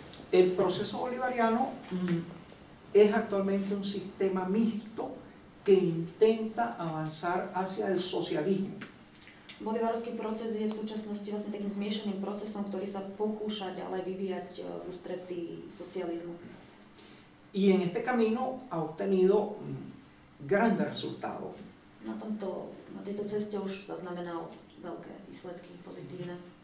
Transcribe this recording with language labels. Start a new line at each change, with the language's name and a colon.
Spanish: El proceso bolivariano es actualmente un sistema mixto que intenta avanzar hacia el socialismo.
Slovak: Bolivarovský proces je v súčasnosti vlastne takým zmiešaným procesom, ktorý sa pokúša ďalej vyvíjať v ústretí socializmu.
Spanish: Y en este camino ha obtenido grandes resultados.
Slovak: Na tejto ceste už zaznamenal veľké výsledky, pozitívne.